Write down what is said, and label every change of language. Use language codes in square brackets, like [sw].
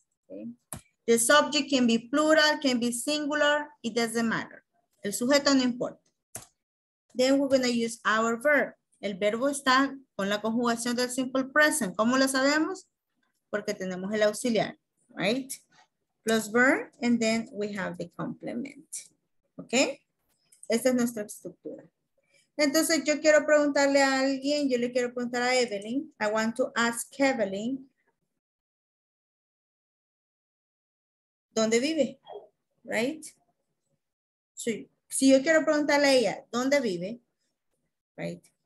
[en] Okay. The subject can be plural, can be singular, it doesn't matter. [es] El sujeto no importa. [en] Then we're going to use our verb. [es] El verbo está con la conjugación del simple present. ¿Cómo lo sabemos? Porque tenemos el auxiliar, right? [en] Plus verb, and then we have the complement. [es] Okay? Esta es nuestra estructura. Entonces yo quiero preguntarle a alguien, yo le quiero preguntar a Evelyn. [en] I want to ask Evelyn. [es] ¿Dónde vive? [en] Right? So, [es] si yo quiero preguntarle a ella, ¿dónde vive? Right?